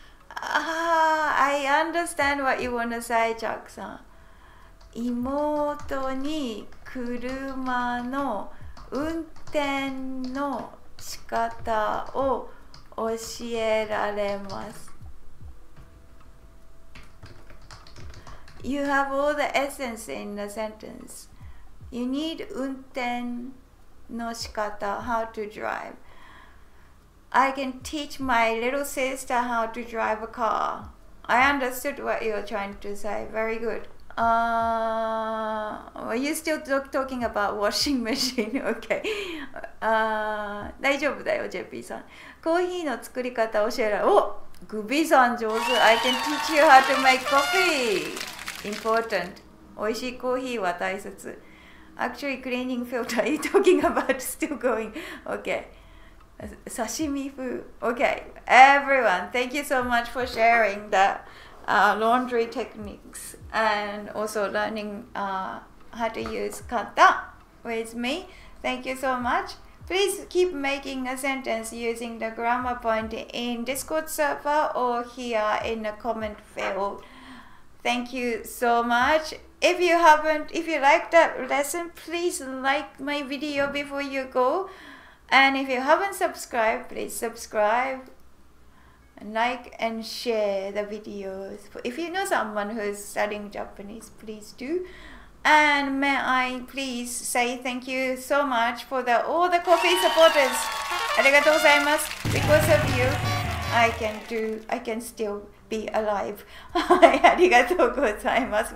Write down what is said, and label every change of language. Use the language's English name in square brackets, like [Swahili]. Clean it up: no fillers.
[English] Ah, I understand what you want to say, Chuck さん。 [Japanese] 妹に車の運転の仕方を教えられます。 [English] You have all the essence in the sentence. You need [Japanese] 運転の仕方 [English] how to drive. I can teach my little sister how to drive a car. I understood what you're trying to say. Very good. Are you still talking about washing machine? Okay. [Japanese] 大丈夫だよ、JP さん。コーヒーの作り方教えられ。お、グビさん上手。 [English] I can teach you how to make coffee. Important. [Japanese] 美味しいコーヒーは大切。 [English] Actually, cleaning filter. Are you talking about still going? Okay. Sashimi food. Okay, everyone, thank you so much for sharing the laundry techniques and also learning how to use kata with me. Thank you so much. Please keep making a sentence using the grammar point in Discord server or here in the comment field. Thank you so much. If you liked that lesson, please like my video before you go. And if you haven't subscribed, please subscribe and like and share the videos. If you know someone who's studying Japanese, please do. And may I please say thank you so much for all the coffee supporters. [Japanese] ありがとうございます。 [English] Because of you, I can still be alive. [Japanese] ありがとうございます。